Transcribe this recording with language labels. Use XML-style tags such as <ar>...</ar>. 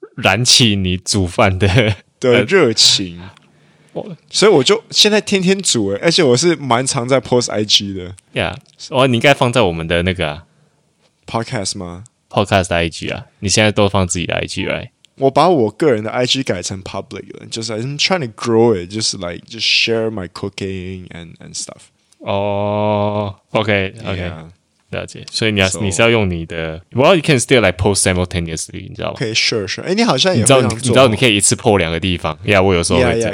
<zh>燃起你煮饭的热情，所以我就现在天天煮，而且我是蛮常在 post IG 的。 Yeah， 哦，你应该放在我们的那个，啊， podcast 吗？ Podcast 的 IG 啊，你现在都放自己的 IG， right？</zh> <en>我把我个人的 IG 改成 public 了，就是 I'm trying to grow it， 就是 like just share my cooking and stuff。</en> <zh>哦 ，OK OK，yeah。了解。</zh> <en>所以你要， so，你是要用你的，Well you can still like post simultaneously，你知道吗？OK， sure sure。 哎，你好像也</en> <zh>非常做，你知道你可以一次 po 两个地方 ，Yeah， 我有时候会这样</zh>